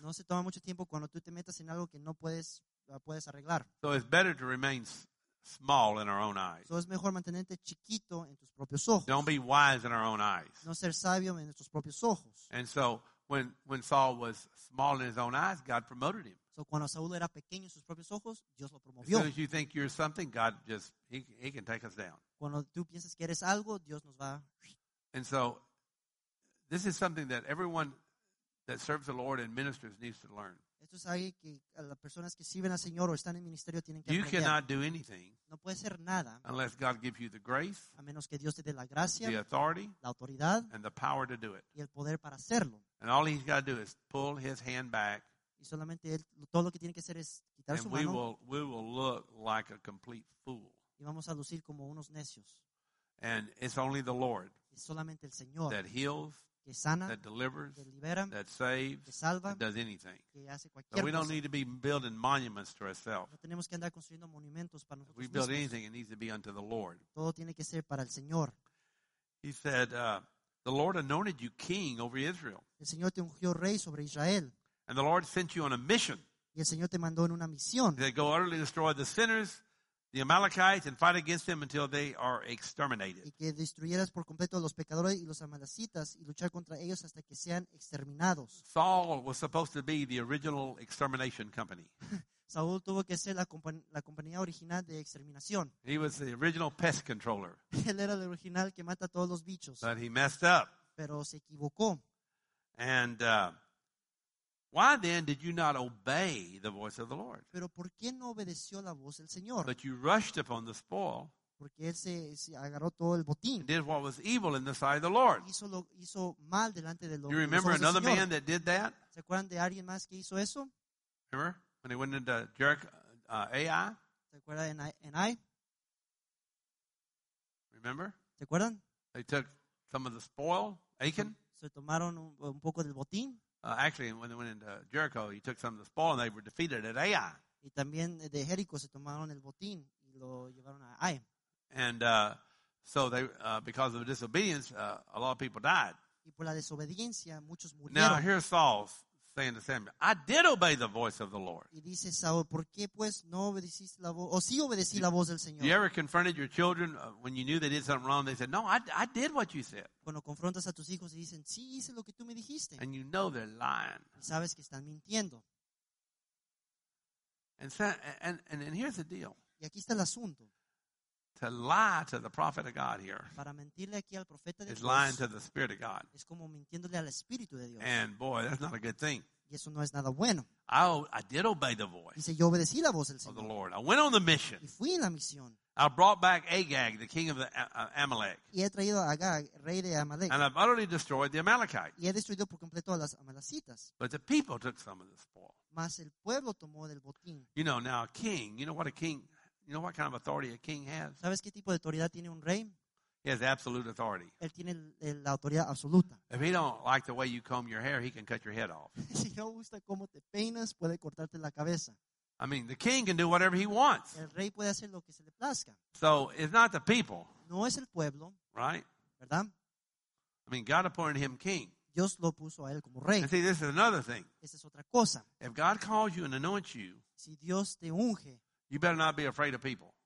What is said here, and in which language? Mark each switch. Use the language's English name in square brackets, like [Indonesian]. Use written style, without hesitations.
[Spanish] No se toma mucho tiempo cuando tú te metas en algo que no puedes arreglar. [English] So it's better to remain small in our own eyes. [Spanish] So es mejor mantenerte chiquito en tus propios ojos. [English] Don't be wise in our own eyes. [Spanish] No ser sabio en tus propios ojos. [English] And so when Saul was small in his own eyes, God promoted him. [Spanish] So cuando Saúl era pequeño en sus propios ojos, Dios lo promovió. [English] As soon as you think you're something, God just he can take us down. [Spanish] Cuando tú piensas que eres algo, Dios nos va. [English] And so, this is something that everyone that serves the Lord and ministers needs to learn. [Spanish] Esto es algo que las personas que sirven al Señor o están en ministerio tienen que aprender. [English] You cannot do anything. [Spanish] No puede ser nada. [English] Unless God gives you the grace. [Spanish] A menos que Dios te dé la gracia. [English] The authority. [Spanish] La autoridad. [English] And the power to do it. [Spanish] Y el poder para hacerlo. [English] And all he's got to do is pull his hand back. [Spanish] Y solamente él, todo lo que tiene que hacer es quitar su mano. [English] And we will look like a complete fool. [Spanish] Y vamos a lucir como unos necios. [English] And it's only the Lord [Spanish] solamente el Señor [English] that heals, [Spanish] que sana, [English] that delivers, [Spanish] que libera, [English] that saves, [Spanish] que salva, [English] that does anything. [Spanish] Que hace cualquier [English] so we [Spanish] cosa. [English] Don't need to be building monuments to ourselves. [Spanish] No tenemos que andar construyendo monumentos para nosotros [English] if we build [Spanish] mismos. [English] Anything, it needs to be unto the Lord. [Spanish] Todo tiene que ser para el Señor. [English] He said, the Lord anointed you king over Israel. [Spanish] El Señor te ungió rey sobre Israel. [English] And the Lord sent you on a mission. [Spanish] Y el Señor te mandó en una misión. [English] He said, go utterly destroy the sinners, the Amalekites, and fight against them until they are exterminated. [Spanish] Y que destruyeras por completo los pecadores y los amalecitas y luchar contra ellos hasta que sean exterminados. [English] Saul was supposed to be the original extermination company. [Spanish] Saul tuvo que ser la compañía original de exterminación. [English] He was the original pest controller. [Spanish] Él era el original que mata todos los bichos. [English] But he messed up. [Spanish] Pero se equivocó. [English] And why then did you not obey the voice of the Lord? [Spanish] Pero ¿por qué no obedeció la voz del Señor? [English] But you rushed upon the spoil. [Spanish] Porque él se agarró todo el botín. [English] And did what was evil in the sight of the Lord. [Spanish] Hizo mal delante de los ojos del Señor. [English] You remember another man that did that? [Spanish] ¿Se acuerdan de alguien más que hizo eso? [English] Remember when he went into Jericho, Ai? [Spanish] ¿Se acuerdan en Ai? [English] Remember? [Spanish] ¿Se acuerdan? [English] They took some of the spoil, Achan. [Spanish] Se tomaron un poco del botín. [English] Actually, when they went into Jericho, he took some of the spoil, and they were defeated at Ai. [Spanish] Y también de Jericho se tomaron el botín y lo llevaron a Ai. [English] And so they, because of the disobedience, a lot of people died. [Spanish] Y por la desobediencia, muchos murieron. [English] Now here's Saul saying to Samuel, "I did obey the voice of the Lord." [Spanish] Y dice Saul, "¿Por qué pues no obedeciste la voz? O sí obedecí la voz del Señor." [English] You ever confronted your children when you knew they did something wrong? They said, "No, I did what you said." [Spanish] Cuando confrontas a tus hijos y dicen, "Sí hice lo que tú me dijiste." [English] And you know they're lying. [Spanish] Y sabes que están mintiendo. [English] And here's the deal. [Spanish] Y aquí está el asunto. [English] To lie to the prophet of God here. [Spanish] Para mentirle aquí al profeta de Dios. [English] Is lying to the spirit of God. [Spanish] Es como mintiéndole al espíritu de Dios. [English] And boy, that's not a good thing. [Spanish] Y eso no es nada bueno. [English] I did obey the voice. [Spanish] Dice, yo obedecí la voz del Señor. [English] Of the Lord. I went on the mission. [Spanish] Y fui en la misión. [English] I brought back Agag, the king of the Amalek. [Spanish] Y he traído a Agag, rey de Amalek. [English] And I've utterly destroyed the Amalekites. [Spanish] Y he destruido por completo a las Amalecitas. [English] But the people took some of the spoil. [Spanish] Mas el pueblo tomó del botín. [English] You know, now a king, you know what a king, you know what kind of authority a king has? [Spanish] ¿Sabes qué tipo de autoridad tiene un rey? [English] He has absolute authority. [Spanish] Él tiene la autoridad absoluta. [English] If he don't like the way you comb your hair, he can cut your head off. [Spanish] Si no gusta cómo te peinas, puede cortarte la cabeza. [English] I mean, the king can do whatever he wants. [Spanish] El rey puede hacer lo que se le plazca. [English] So it's not the people. [Spanish] No es el pueblo. [English] Right? [Spanish] ¿Verdad? [English] I mean, God appointed him king. [Spanish] Dios lo puso a él como rey. [English] And see, this is another thing. [Spanish] Esa es otra cosa. [English] If God calls you and anoints you, [Spanish] si Dios te unge, [English] you better not be afraid of people.